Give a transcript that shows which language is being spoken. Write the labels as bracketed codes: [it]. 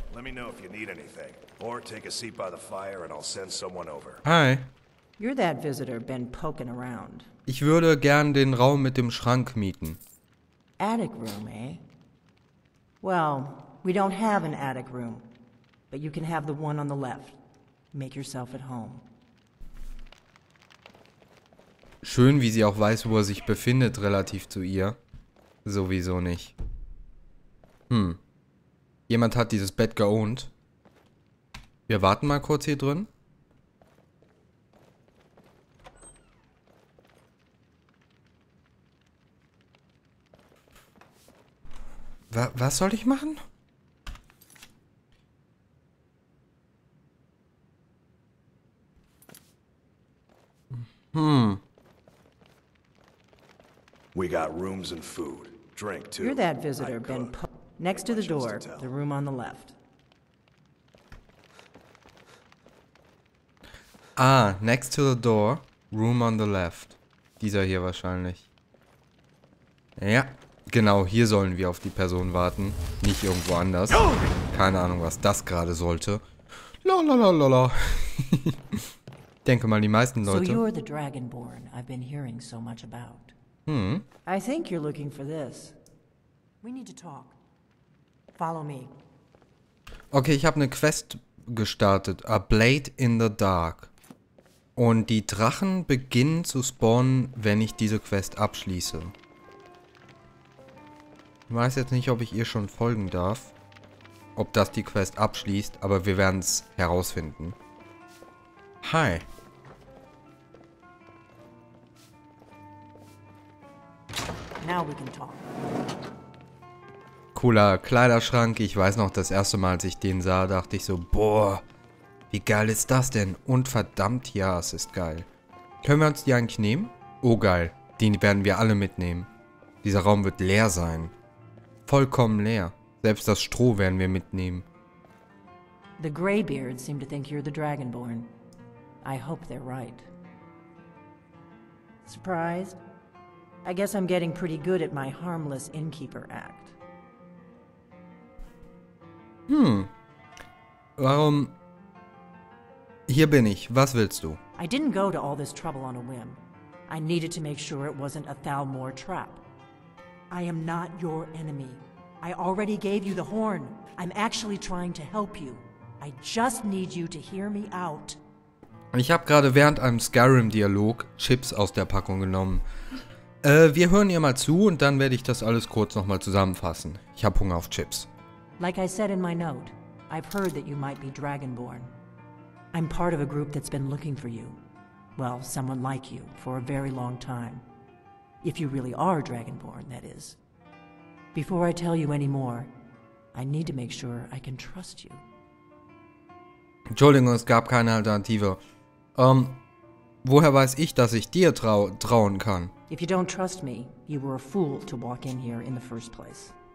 [en] Let me know if you need anything. Or take a seat by the fire and I'll send someone over. Hi. You're that visitor been poking around. [de] Ich würde gern den Raum mit dem Schrank mieten. [en] Attic room, eh? Well, we don't have an attic room, but you can have the one on the left. Make yourself at home. [de] Schön, wie sie auch weiß, wo er sich befindet, relativ zu ihr. Sowieso nicht. Jemand hat dieses Bett geowned. Wir warten mal kurz hier drin. Was soll ich machen? [en] We got rooms and food. Drink too. You're that visitor, Ben. Next to the door, the room on the left. Ah, next to the door, room on the left. [de] Dieser hier wahrscheinlich. Ja. Genau, hier sollen wir auf die Person warten, nicht irgendwo anders. Keine Ahnung, was das gerade sollte. Lalalala. denke mal, die meisten Leute. [en] So you're the Dragonborn I've been hearing so much about. Hm. I think you're looking for this. We need to talk. Follow me. [de] Okay, ich habe eine Quest gestartet. A Blade in the Dark. Und die Drachen beginnen zu spawnen, wenn ich diese Quest abschließe. Ich weiß jetzt nicht, ob ich ihr schon folgen darf. Ob das die Quest abschließt, aber wir werden es herausfinden. [en] Hi. Now we can talk. [de] Cooler Kleiderschrank. Ich weiß noch, das erste Mal, als ich den sah, dachte ich so, boah, wie geil ist das denn? Und verdammt, ja, es ist geil. Können wir uns die eigentlich nehmen? Oh, geil. Den werden wir alle mitnehmen. Dieser Raum wird leer sein. Vollkommen leer. Selbst das Stroh werden wir mitnehmen. [en] The Greybeards seem to think you're the Dragonborn. I hope they're right. Surprised? I guess I'm getting pretty good at my harmless innkeeper act. [de] Hm. Warum? Hier bin ich. Was willst du? [en] I didn't go to all this trouble on a whim. I needed to make sure it wasn't a Thalmor trap. I am not your enemy. I already gave you the horn. I'm actually trying to help you. I just need you to hear me out. [de] Ich habe gerade während einem Skyrim-Dialog Chips aus der Packung genommen. Wir hören ihr mal zu und dann werde ich das alles kurz nochmal zusammenfassen. Ich habe Hunger auf Chips. [en] Like I said in my note, I've heard that you might be Dragonborn. I'm part of a group that's been looking for you. Well, someone like you, for a very long time. If you really are Dragonborn, that is. Before I tell you any more, I need to make sure I can trust you. [de] Entschuldigung, es gab keine Alternative. Woher weiß ich, dass ich dir trauen kann? [en] If you don't trust me, you were a fool to walk in here in the first place.